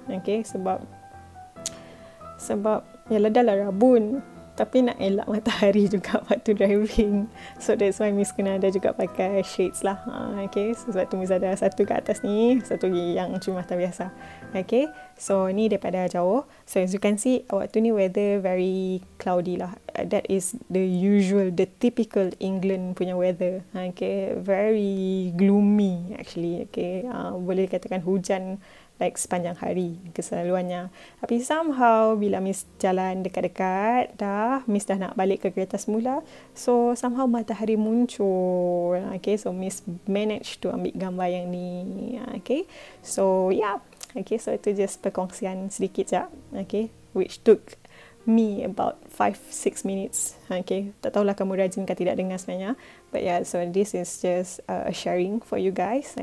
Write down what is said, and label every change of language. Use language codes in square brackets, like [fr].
[ms] Okay, sebab yalah dah lah rabun. Tapi nak elak matahari juga waktu driving. [en] So, that's why [ms] Miss kena ada juga pakai shades lah. Okay, so, sebab tu Miss ada satu kat atas ni. Satu yang cermin mata biasa. Okay, so ni daripada jauh. [en] So, as you can see, [ms] waktu ni [en] weather very cloudy lah. That is the usual, the typical England punya weather. Okay, very gloomy actually. [ms] Okay, boleh katakan hujan like sepanjang hari keseluruhannya. Tapi somehow bila Miss jalan dekat-dekat dah, Miss dah nak balik ke kereta semula. So somehow matahari muncul. Okay, so Miss manage to ambil gambar yang ni. [en] Okay, so yeah. Okay, so itu just [ms] perkongsian sedikit je. [en] Okay, which took me about 5-6 minutes. [ms] Okay, tak tahulah kamu rajin ke tidak dengar sebenarnya. [en] But yeah, so this is just a sharing for you guys.